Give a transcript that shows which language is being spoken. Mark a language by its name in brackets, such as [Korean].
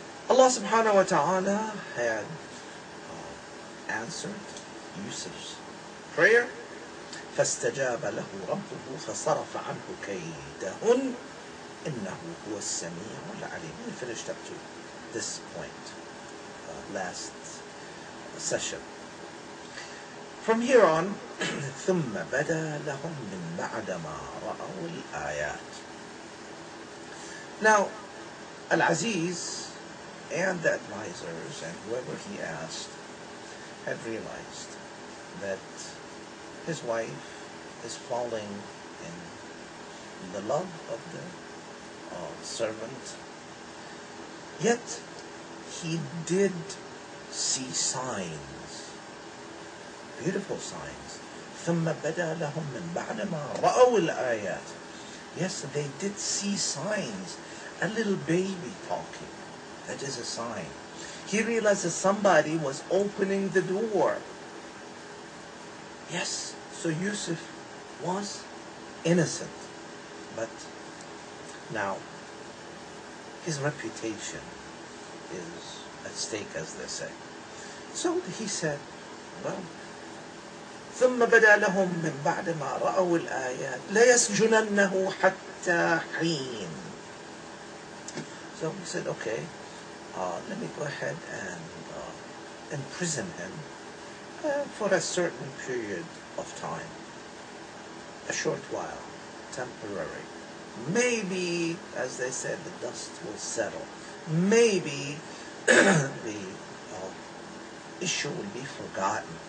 [English] Allah subhanahu wa ta'ala had answered Yusuf's prayer. [Arabic] فَاسْتَجَابَ لَهُ رَبُّهُ فَصَرَفَ عَنْهُ كَيْدَهُنْ إِنَّهُ هُوَ السَّمِيعُ الْعَلِيمُ. [English] We finished up to this point, last session. From here on, [Arabic] ثُمَّ بَدَى لَهُمْ مِنْ بَعْدَ مَا رَأَوْا الْآيَاتِ. [English] Now, Al-Aziz and the advisors and whoever he asked had realized that his wife is falling in the love of the servant. Yet he did see signs, beautiful signs. [Arabic] ثُمَّ بَدَى لَهُمْ مِنْ بَعْدَ مَا رَأَوْا الْآيَاتِ. [English] Yes, they did see signs. A little baby talking, that is a sign. He realized that somebody was opening the door. Yes, so Yusuf was innocent. But now, his reputation is at stake, as they say. So he said, well, [Arabic] ثُمَّ بَدَى لَهُمْ مِنْ بَعْدَ مَا رَأَوُوا الْآيَاتِ لَيَسْجُنَنَّهُ حَتَّى حِينَ. [English] So he said, okay, let me go ahead and imprison him for a certain period of time, a short while, temporary. Maybe, as they said, the dust will settle. Maybe the issue will be forgotten.